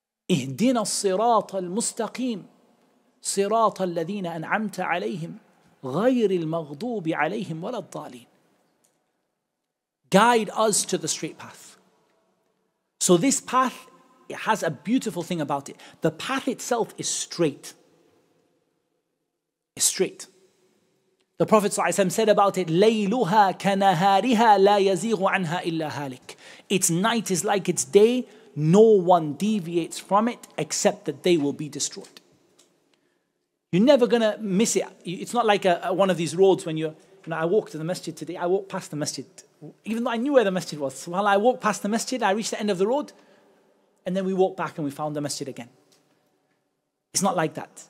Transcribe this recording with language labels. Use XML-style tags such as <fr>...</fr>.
<ar>اِهْدِنَا الصِّرَاطَ الْمُسْتَقِيمِ صِرَاطَ الَّذِينَ أَنْعَمْتَ عَلَيْهِمْ غَيْرِ الْمَغْضُوبِ عَلَيْهِمْ وَلَا الضَّالِينَ.</ar> <en>Guide us to the straight path. So this path, it has a beautiful thing about it. The path itself is straight. It's straight. The Prophet ﷺ said about it,</en> <ar>لَيْلُهَا كَنَهَارِهَا لَا يَزِيغُ عَنْهَا إِلَّا هَالِكَ.</ar> <en>Its night is like its day, no one deviates from it except that they will be destroyed. You're never going to miss it. It's not like one of these roads when I walked to the masjid today, I walked past the masjid, even though I knew where the masjid was. While I walked past the masjid, I reached the end of the road, and then we walked back and we found the masjid again. It's not like that.</en>